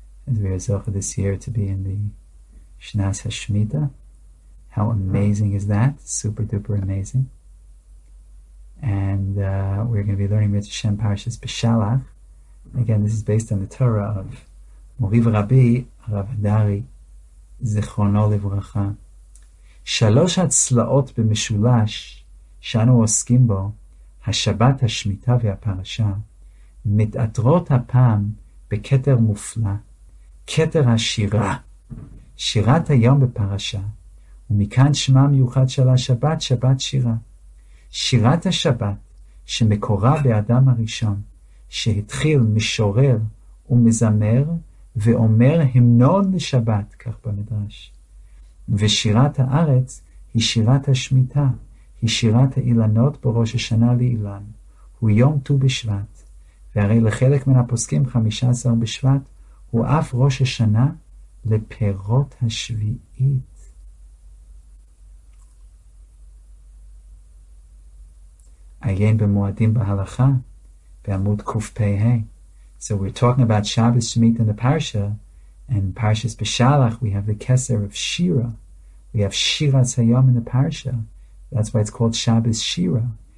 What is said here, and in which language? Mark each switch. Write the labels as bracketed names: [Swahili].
[English] As we are zocha this year to be in the Shnas HaShemitah. How amazing is that? Super duper amazing. And we're going to be learning Mitzvah Shem Parshas B'Shalach. Again, this is based on the Torah of Moriv Rabbi Rav Hadari. [Hebrew] זכרונו לברכה. שלוש הצלעות במשולש שאנו עוסקים בו, השבת, השמיטה והפרשה, מתעטרות הפעם בכתר מופלא, כתר השירה, שירת היום בפרשה, ומכאן שמה מיוחד של השבת, שבת שירה. שירת השבת שמקורה באדם הראשון, שהתחיל משורר ומזמר, ואומר המנון לשבת, כך במדרש. ושירת הארץ היא שירת השמיטה, היא שירת האילנות בראש השנה לאילן, הוא יום ט"ו בשבט, והרי לחלק מן הפוסקים 15 בשבט, הוא אף ראש השנה לפירות השביעית. עיין במועדים בהלכה, בעמוד קפ"ה. [English] So we're talking about Shabbos Shemit in the Parsha, and Parshas B'Shalach, we have the Keser of Shira. We have Shiras Hayom in the Parsha. That's why it's called Shabbos Shira.